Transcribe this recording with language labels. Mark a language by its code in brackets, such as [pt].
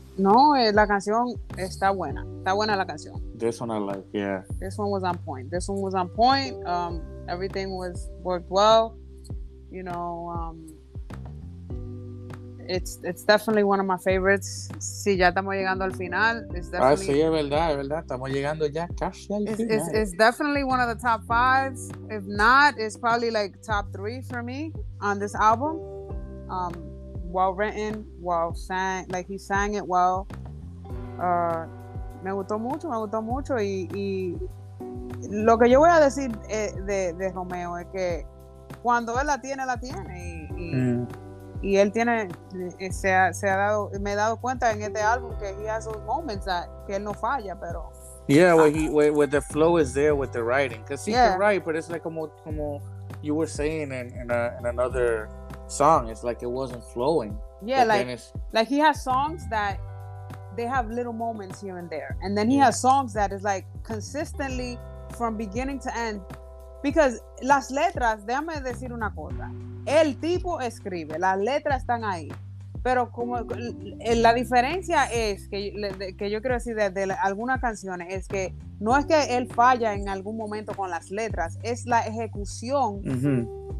[es] No, la canción está buena. Está buena la canción. [en] This one I like, yeah. This one was on point. This one was on point. Everything was worked well. You know, it's definitely one of my favorites. [es] Si ya estamos llegando al final, [en] it's definitely... [es] Ah, sí, es verdad, estamos llegando ya casi al final. [en] It's definitely one of the top 5s. If not, it's probably like top 3 for me on this album. Well written, well sang, like he sang it well. [es] Me gustó mucho. Y lo que yo voy a decir de Romeo es que cuando él la tiene. Y él tiene, se ha dado, me he dado cuenta en este álbum que [en] he has those moments that [es] que él no falla, pero. [en] Yeah, where the flow is there with the writing. Because he can write, but it's like como you were saying in another song, it's like it wasn't flowing. Yeah, like he has songs that they have little moments here and there, and then he has songs that is like consistently from beginning to end. [es] Because las letras, déjame decir una cosa, el tipo escribe, las letras están ahí, pero como la diferencia es que yo quiero decir de algunas canciones es que no es que él falla en algún momento con las letras, es la ejecución. Mm-hmm.